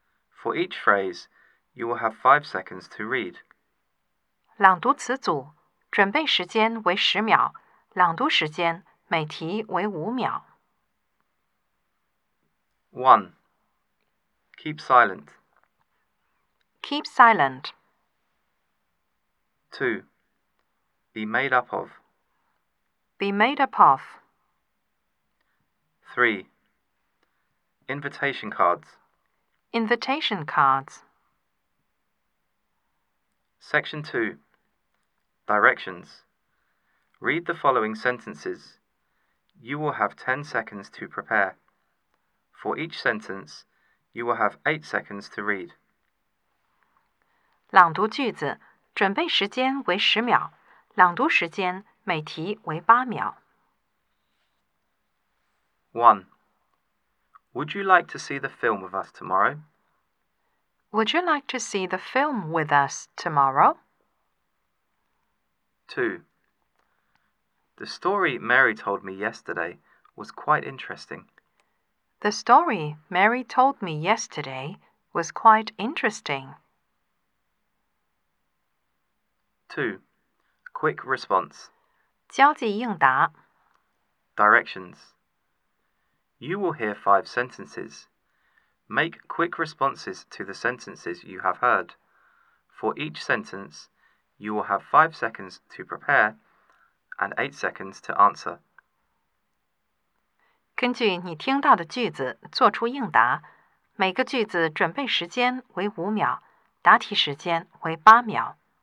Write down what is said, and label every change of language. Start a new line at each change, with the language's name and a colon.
English: For each phrase, you will have 5 seconds to read.
Chinese: 朗读词组，准备时间为10秒，朗读时间每题为5秒。
English: 1. Keep silent. Keep silent. 2. Be made up of. Be made up of. 3. Invitation cards. Invitation cards. Section 2. Directions. Read the following sentences. You will have 10 seconds to prepare. For each sentence, you will have 8 seconds to read.
Chinese: 朗读句子，准备时间为10秒，朗读时间每题为8秒。
English: 1. Would you like to see the film with us tomorrow? Would you like to see the film with us tomorrow? 2. The story Mary told me yesterday was quite interesting. The story Mary told me yesterday was quite interesting. 2. Quick response.
Chinese: 交际应答。
English: Directions. You will hear 5 sentences. Make quick responses to the sentences you have heard. For each sentence, you will have 5 seconds to prepare and 8 seconds to answer.
Chinese: 根据你听到的句子做出应答，每个句子准备时间为5秒，答题时间为8秒。